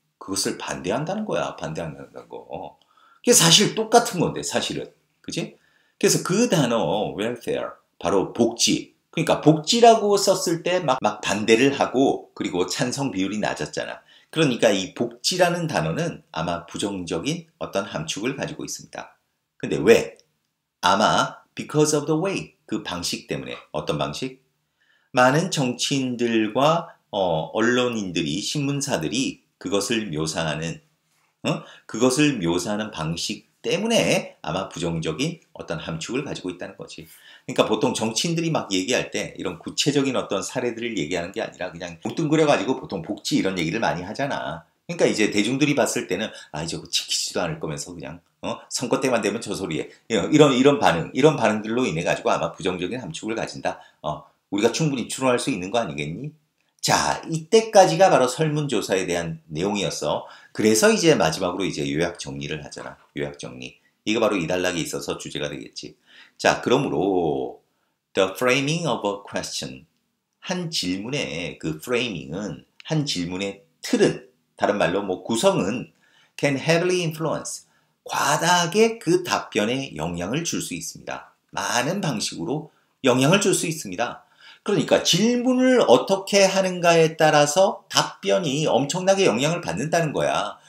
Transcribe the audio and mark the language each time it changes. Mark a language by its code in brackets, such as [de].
[ko] 그것을 반대한다는 거야. 반대한다는 거. 그게 사실 똑같은 건데, 사실은. 그지? 그래서 그 단어, welfare, 바로 복지. 그러니까 복지라고 썼을 때 막 반대를 하고 그리고 찬성 비율이 낮았잖아. 그러니까 이 복지라는 단어는 아마 부정적인 어떤 함축을 가지고 있습니다. 근데 왜? 아마 [en] because of the way. [ko] 그 방식 때문에. 어떤 방식? 많은 정치인들과 언론인들이, 신문사들이 그것을 묘사하는, 그것을 묘사하는 방식 때문에 아마 부정적인 어떤 함축을 가지고 있다는 거지. 그러니까 보통 정치인들이 막 얘기할 때 이런 구체적인 어떤 사례들을 얘기하는 게 아니라 그냥 뭉뚱그려가지고 보통 복지 이런 얘기를 많이 하잖아. 그러니까 이제 대중들이 봤을 때는 아, 저거 지키지도 않을 거면서 그냥, 선거 때만 되면 저 소리에. 이런 반응들로 인해가지고 아마 부정적인 함축을 가진다. 우리가 충분히 추론할 수 있는 거 아니겠니? 자, 이때까지가 바로 설문조사에 대한 내용이었어. 그래서 이제 마지막으로 이제 요약 정리를 하잖아. 요약 정리. 이게 바로 이 단락에 있어서 주제가 되겠지. [en] 자, 그러므로 the framing of a question. [ko] 한 질문의 그 framing은 한 질문의 틀은 다른 말로 뭐 구성은 [en] can heavily influence [ko] 과다하게 그 답변에 영향을 줄수 있습니다. 많은 방식으로 영향을 줄수 있습니다. 그러니까 질문을 어떻게 하는가에 따라서 답변이 엄청나게 영향을 받는다는 거야.